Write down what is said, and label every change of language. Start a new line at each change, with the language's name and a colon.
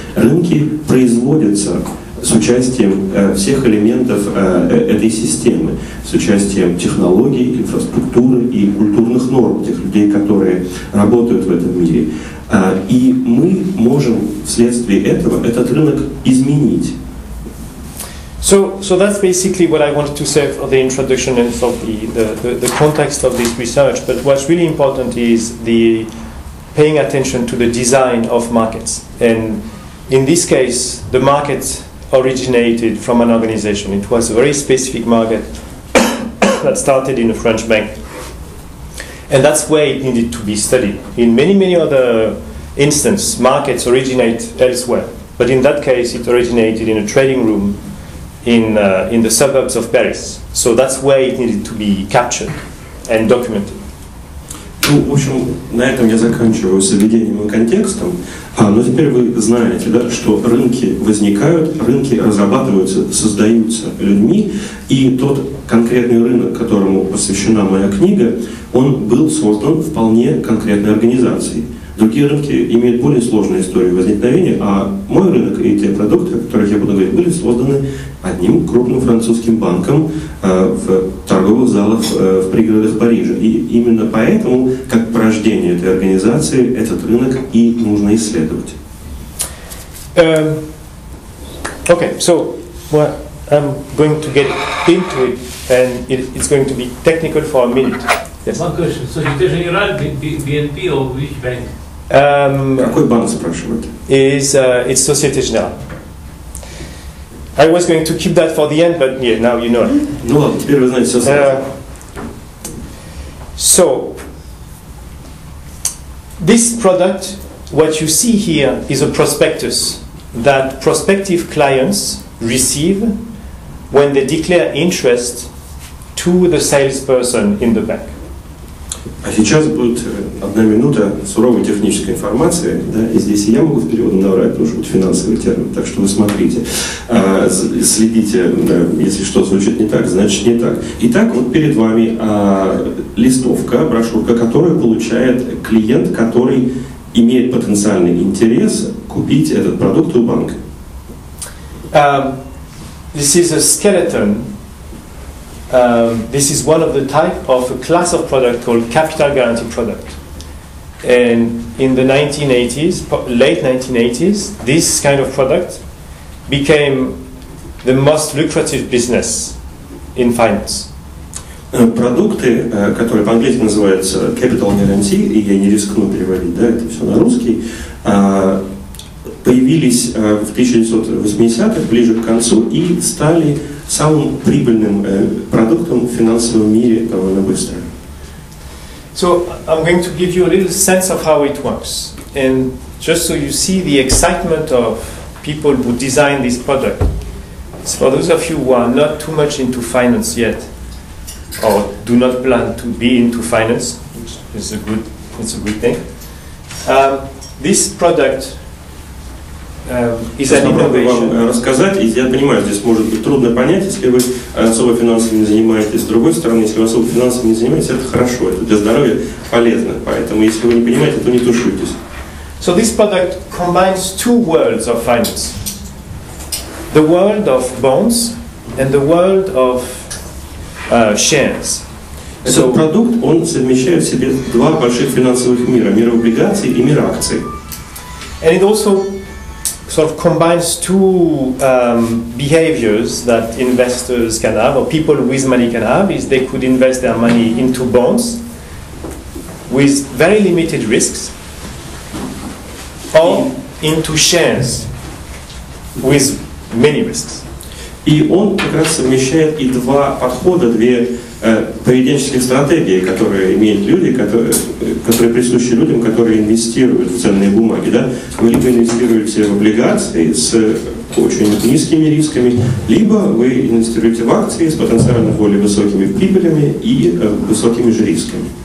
Russian: Рынки производятся с участием всех элементов этой системы, с участием технологий, инфраструктуры и культурных норм тех людей, которые работают в этом мире. И мы можем вследствие этого этот рынок изменить.
English: So that's basically what I wanted to say for the introduction and for the context of this research. But what's really important is the paying attention to the design of markets. And in this case, the market originated from an organization. It was a very specific market person that started in a French bank. And that's where it needed to be studied. In many, many other instances, markets originate elsewhere. But in that case, it originated in a trading room in the suburbs of Paris. So that's where it needed to be captured and documented.
Russian: Ну, в общем, на этом я заканчиваю с введением и контекстом. Но теперь вы знаете, да, что рынки возникают, рынки разрабатываются, создаются людьми. И тот конкретный рынок, которому посвящена моя книга, он был создан вполне конкретной организацией. Другие рынки имеют более сложную историю возникновения, а мой рынок и те продукты, о которых я буду говорить, были созданы одним крупным французским банком в торговых залах в пригородах Парижа. И именно поэтому, как порождение этой организации, этот рынок и нужно исследовать.
English: Okay, so well, I'm going to get into it, and it's going to be technical for a minute. Yes. One question. So you're the general BNP or which bank?
Russian: Какой банк спрашивает?
English: It's Société Générale. I was going to keep that for the end, but yeah, now you know.
Russian: Ну ладно, теперь вы знаете все
English: So, this product, what you see here, is a prospectus that prospective clients receive when they declare interest to the salesperson in the bank.
Russian: А сейчас будет одна минута суровой технической информации, да, и здесь я могу в переводе наврать, потому что будет финансовый термин, так что вы смотрите, следите, да, если что звучит не так, значит не так. Итак, вот перед вами листовка, брошюрка, которую получает клиент, который имеет потенциальный интерес купить этот продукт у банка.
English: This is a skeleton. This is one of the type of a class of product called capital guarantee product. And in the late 1980s, this kind of product became the most lucrative business in finance.
Russian: Продукты, которые по-английски называются capital guarantee, и я не рискну переводить, да, это все на русский, появились в 1980-х, ближе к концу, и стали самым прибыльным продуктом в финансовом мире довольно быстро.
English: So I'm going to give you a little sense of how it works. And just so you see the excitement of people who design this product, for those of you who are not too much into finance yet, or do not plan to be into finance, which is a good, it's a good thing, this product is an innovation.
Russian: Рассказать, и я понимаю, здесь может быть трудно понять, если вы особо финансами не занимаетесь. С другой стороны, если вы особо финансами не занимаетесь, это хорошо, это для здоровья полезно. Поэтому, если вы не понимаете, то не тушуйтесь.
English: So this product combines two worlds of finance. The world of bonds and the world of shares.
Russian: So продукт, он совмещает в себе два больших финансовых мира: мир облигаций и мир акций.
English: And it also sort of combines two behaviors that investors can have, or people with money can have, is they could invest their money into bonds with very limited risks, or into shares with many risks.
Russian: И он как раз совмещает и два подхода, две поведенческие стратегии, которые имеют люди, которые присущи людям, которые инвестируют в ценные бумаги. Да? Вы либо инвестируете в облигации с очень низкими рисками, либо вы инвестируете в акции с потенциально более высокими прибылями и высокими же рисками.